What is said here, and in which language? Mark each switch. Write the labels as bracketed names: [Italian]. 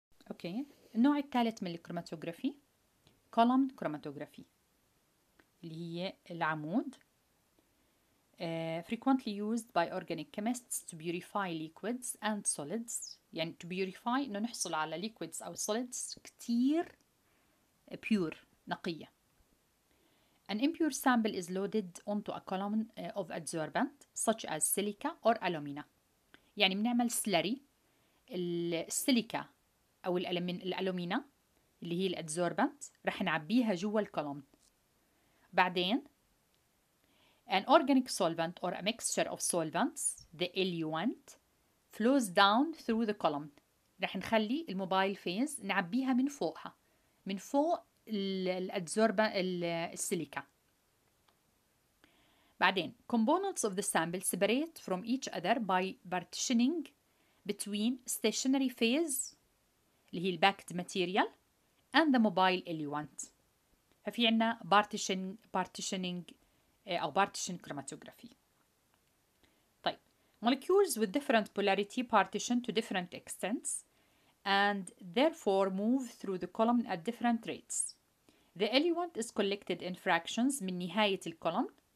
[Arabic] أوكي، النوع الثالث من الكروماتوغرافي column chromatography اللي هي العمود. [English] Frequently used by organic chemists to purify liquids and solids. [Arabic] يعني to purify إنه نحصل على liquids أو solids كتير pure نقية. [English] An impure sample is loaded onto a column of adsorbent such as silica or alumina. [Arabic] يعني بنعمل سلري السيليكا أو الألومينا اللي هي الأدزوربنت رح نعبيها جوا الكولوم. [English] بعدين an organic solvent or a mixture of solvents, the eluent, flows down through the column. [Arabic] رح نخلي الموبايل فيز نعبيها من فوقها من فوق الأدزوربنت السيليكا. [English] بعدين components of the sample separate from each other by partitioning between stationary phase اللي هي backed material and the mobile eluent. [Arabic] ففي عنا partitioning أو partition chromatography. [English] طيب molecules with different polarity partition to different extents and therefore move through the column at different rates. The eluent is collected in fractions من نهاية الكولومن.